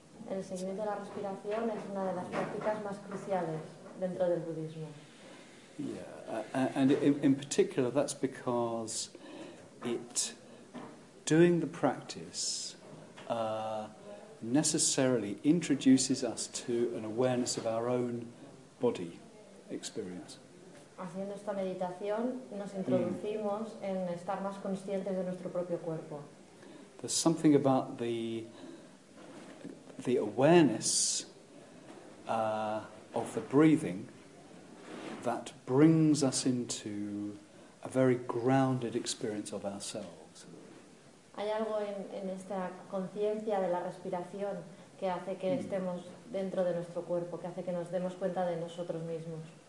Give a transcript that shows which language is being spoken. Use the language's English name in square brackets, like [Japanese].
[Spanish] El seguimiento de la respiración es una de las prácticas más cruciales dentro del budismo. [English] Yeah, and in particular, that's because it doing the practice. Necessarily introduces us to an awareness of our own body experience. [Spanish] Haciendo esta meditación, nos introducimos en estar más conscientes de nuestro propio cuerpo. [English] There's something about the awareness of the breathing that brings us into a very grounded experience of ourselves. [Spanish] Hay algo en esta conciencia de la respiración que hace que estemos dentro de nuestro cuerpo, que hace que nos demos cuenta de nosotros mismos.